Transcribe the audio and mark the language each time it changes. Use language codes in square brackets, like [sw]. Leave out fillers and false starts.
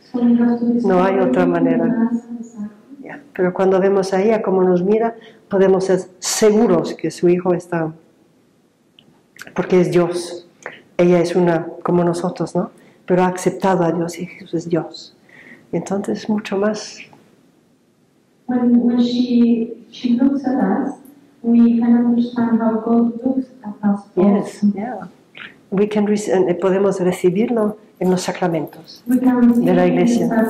[es] No hay otra manera. Yeah. Pero cuando vemos a ella como nos mira, podemos ser seguros que su hijo está, porque es Dios. Ella es una como nosotros, ¿no? Pero ha aceptado a Dios y Jesús es Dios. Entonces mucho más. [en] When she looks at us, we can understand how God looks at us. Yes, yeah. We can [es] podemos recibirlo en los sacramentos de la Iglesia.